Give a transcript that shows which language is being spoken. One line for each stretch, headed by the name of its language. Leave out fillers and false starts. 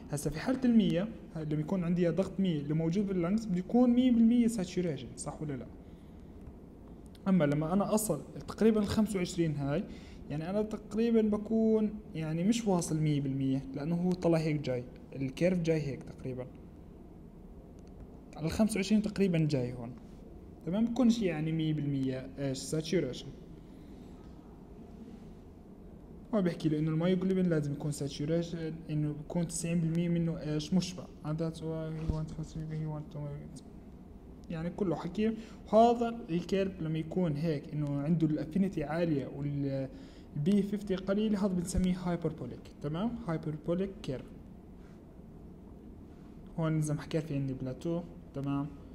Arabic: هسا في حاله ال 100 لما يكون عندي ضغط 100 اللي موجود باللنجز بده يكون 100% ساتوريشن، صح ولا لا؟ اما لما انا اصل تقريبا ال 25 هاي، يعني انا تقريبا بكون يعني مش واصل 100% لانه هو طلع هيك جاي الكيرف جاي هيك تقريبا على 25 تقريبا جاي هون، تمام، بكون شيء يعني 100% ايش ساتوريشن. هو بيحكي له انه المايوغلوبين لازم يكون ساتوريشن انه يكون 90% منه ايش مشبع.
English: And that's why he want to see, he want to make it.
Arabic: يعني كله حكي. وهذا الكيرف لما يكون هيك انه عنده الافينيتي عاليه والبي 50 قليل، هذا بنسميه هايبربوليك، تمام، هايبربوليك كيرف. هون زي ما حكيت في عندي بلاتو، تمام،